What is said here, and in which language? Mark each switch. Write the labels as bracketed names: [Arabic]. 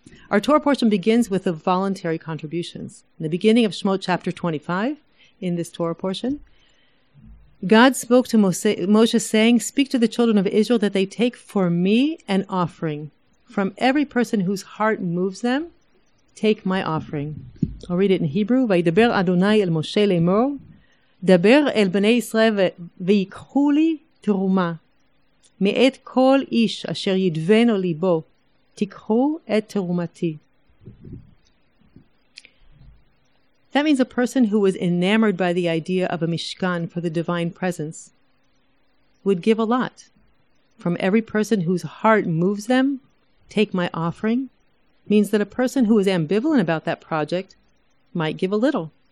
[English] Our Torah portion begins with the voluntary contributions. In the beginning of Shmot chapter 25, in this Torah portion, God spoke to Moshe saying, "Speak to the children of Israel that they take for me an offering. From every person whose heart moves them, take my offering." I'll read it in Hebrew. [Hebrew] "Vayidaber Adonai el Moshe lemor, דבר אל בני ישראל ויקחו לי תרומה. מעת כל איש אשר ידבנו ליבו, תקחו את תרומתי. [English] That means a person who was enamored by the idea of a mishkan for the divine presence would give a lot. From every person whose heart moves them, take my offering, means that a person who is ambivalent about that project might give a little.